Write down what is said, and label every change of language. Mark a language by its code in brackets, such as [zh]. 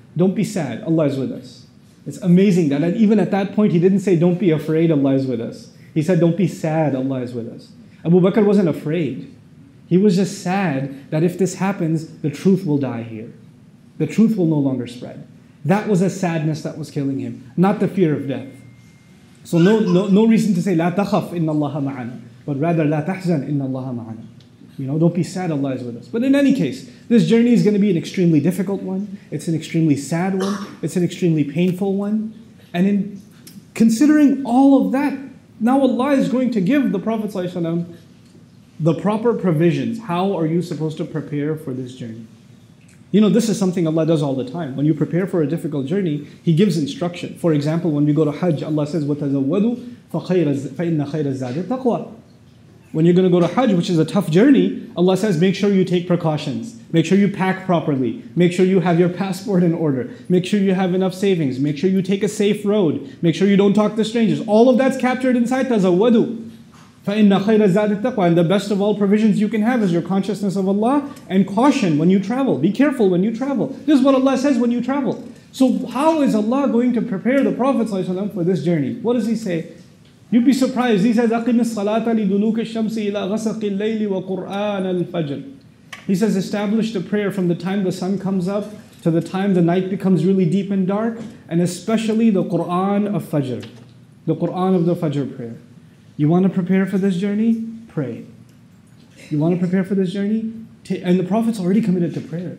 [en] Don't be sad, Allah is with us. It's amazing that even at that point, he didn't say, don't be afraid, Allah is with us. He said, don't be sad, Allah is with us. Abu Bakr wasn't afraid. He was just sad that if this happens, the truth will die here. The truth will no longer spread. That was a sadness that was killing him, not the fear of death. So no reason to say, [ar] لا تخف إن الله معنا, [en] but rather, [ar] لا تحزن إن الله معنا. [en] You know, don't be sad, Allah is with us. But in any case, this journey is going to be an extremely difficult one. It's an extremely sad one. It's an extremely painful one. And in considering all of that, now Allah is going to give the Prophet ﷺ the proper provisions. How are you supposed to prepare for this journey? You know, this is something Allah does all the time. When you prepare for a difficult journey, He gives instruction. For example, when we go to Hajj, Allah says, [ar] وَتَزَوَّدُوا فَإِنَّ خَيْرَ الزَّادِ التَّقْوَى. [en] When you're going to go to Hajj, which is a tough journey, Allah says, make sure you take precautions. Make sure you pack properly. Make sure you have your passport in order. Make sure you have enough savings. Make sure you take a safe road. Make sure you don't talk to strangers. All of that's captured inside tazawwadu. [ar] فَإِنَّ خَيْرَ الزَّادِ التَّقْوَى. [en] And the best of all provisions you can have is your consciousness of Allah and caution when you travel. Be careful when you travel. This is what Allah says when you travel. So how is Allah going to prepare the Prophet ﷺ for this journey? What does He say? You'd be surprised. He says, [ar] أَقِمِ الصَّلَاةَ لِدُلُوكِ الشَّمْسِ إِلَىٰ غَسَقِ اللَّيْلِ وَقُرْآنَ الْفَجْرِ. [en] He says, establish the prayer from the time the sun comes up to the time the night becomes really deep and dark, and especially the Qur'an of Fajr. The Qur'an of the Fajr prayer. You want to prepare for this journey? Pray. You want to prepare for this journey? And the Prophet's already committed to prayer.